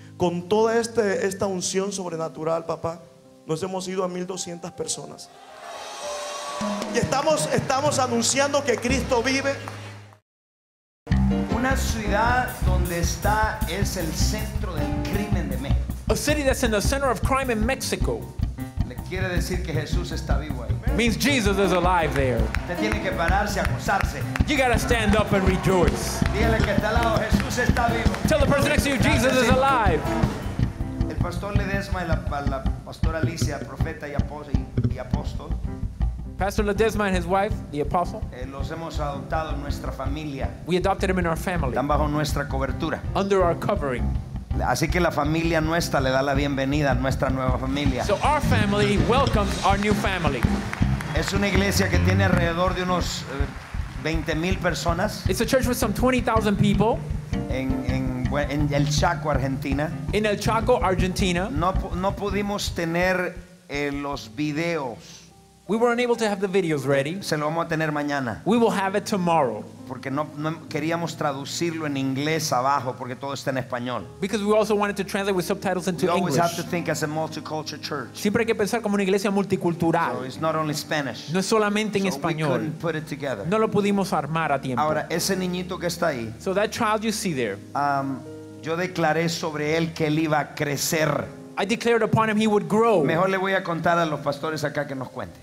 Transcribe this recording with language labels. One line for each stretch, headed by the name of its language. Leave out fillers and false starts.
Spanish: Con toda esta unción sobrenatural, papá, nos hemos ido a 1200 personas. Y estamos anunciando que Cristo vive. Una ciudad donde está es el centro del crimen de México.
English: A city that's in the center of crime in Mexico.
Spanish: Quiere decir que Jesús está vivo ahí.
English: Means Jesus is alive there.
Spanish: Te tiene que pararse a gozarse.
English: You gotta stand up and rejoice.
Spanish: Dile que está al lado, Jesús está vivo.
English: Tell the person next to you, Jesus is alive.
Spanish: El pastor Ledesma y la pastora Alicia, profeta y apóstol,
English: Pastor Ledesma and his wife, the apostle.
Spanish: Los hemos adoptado en nuestra familia.
English: We adopted him in our family.
Spanish: Están bajo nuestra cobertura.
English: Under our covering.
Spanish: Así que la familia nuestra le da la bienvenida a nuestra nueva familia.
English: So our family welcomes our new family.
Spanish: Es una iglesia que tiene alrededor de unos 20,000 personas.
English: It's a church with some 20,000 people.
Spanish: En el Chaco, Argentina.
English: In El Chaco, Argentina.
Spanish: No pudimos tener los videos.
English: We were unable to have the videos ready.
Spanish: Se lo vamos a tener mañana.
English: We will have it tomorrow.
Spanish: Porque no queríamos traducirlo en inglés abajo porque todo está en español.
English: Because we also wanted to translate with subtitles into English. We always have to think as a multicultural church.
Spanish: Siempre hay que pensar como una iglesia multicultural.
English: So it's not only Spanish.
Spanish: No es solamente en español.
English: So we couldn't put it together.
Spanish: No lo pudimos armar a tiempo. Ahora ese niñito que está ahí.
English: So that child you see there.
Spanish: Yo declaré sobre él que él iba a crecer.
English: I declared upon him he would grow.
Spanish: Mejor le voy a contar a los pastores acá que nos cuente.